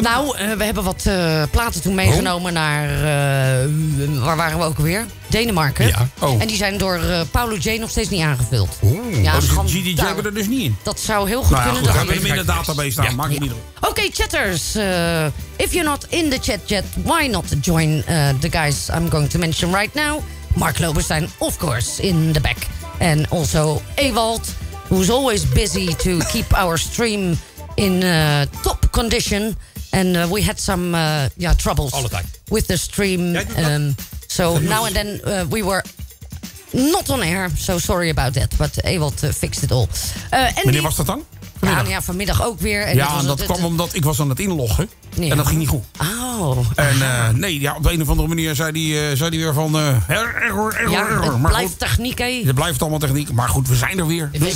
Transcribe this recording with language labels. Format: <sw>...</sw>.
<nl>Nou, we hebben wat platen toen meegenomen naar... waar waren we ook weer? Denemarken. Ja. Oh. En die zijn door Paulo J nog steeds niet aangevuld. Oeh. Ja, dus GDJ hebben er dus niet in. Dat zou heel goed kunnen. Goed, dan we hebben hem in de database staan. Ja. Maakt het niet op. Oké, chatters.</nl> <en>If you're not in the chat yet, why not join the guys I'm going to mention right now? Mark Loberstein, of course, in the back. And also Ewald, who's always busy to keep our stream... in top condition, and we had some troubles all the time with the stream. So now and then we were not on air, so sorry about that, but Ewald fixed it all.</en> <nl>Wanneer was dat dan? Vanmiddag. Ja, vanmiddag ook weer. En ja, kwam omdat ik was aan het inloggen en dat ging niet goed. Oh. En op de een of andere manier zei die weer van error. Het blijft techniek, hè? Het blijft allemaal techniek, maar goed, we zijn er weer.</nl>